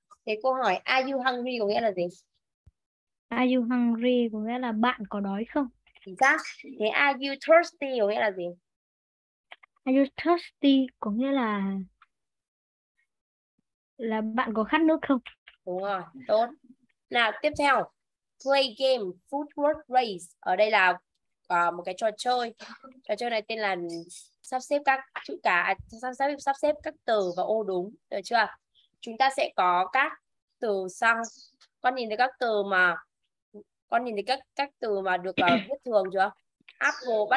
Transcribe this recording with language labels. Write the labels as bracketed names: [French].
[Vietnamese] Thế câu hỏi [English] Are you hungry [Vietnamese] có nghĩa là gì? [English] Are you hungry [Vietnamese] có nghĩa là bạn có đói không? Chính xác. Thế [English] are you thirsty [Vietnamese] có nghĩa là gì? [English] Are you thirsty [Vietnamese] có nghĩa là bạn có khát nước không? Đúng rồi, tốt. Nào, tiếp theo. [English] Play game, food word race. [Vietnamese] Ở đây là một cái trò chơi. Trò chơi này tên là sắp xếp các chữ cả, sắp xếp các từ và ô đúng. Được chưa? Chúng ta sẽ có các từ sau. Con nhìn thấy các từ mà con nhìn thấy các từ mà được viết thường chưa? [English] Apple bắt